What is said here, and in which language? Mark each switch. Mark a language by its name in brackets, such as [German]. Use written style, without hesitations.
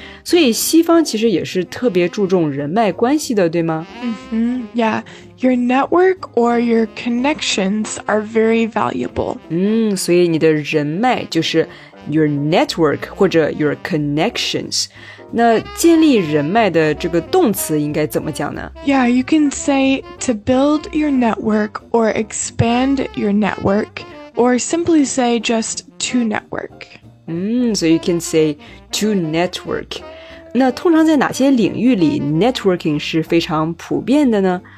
[Chinese] 所以西方其实也是特别注重人脉关系的，对吗？ [English] Yeah, your network or your connections are very valuable. [Chinese] 所以你的人脉就是 [English] your network [Chinese] 或者 [English] your connections。 [Chinese] 那建立人脉的这个动词应该怎么讲呢？ [English] Yeah, you can say to build your network or expand your network or simply say just to network. So you can say to network. [Chinese] 那通常在哪些领域里 networking 是非常普遍的呢？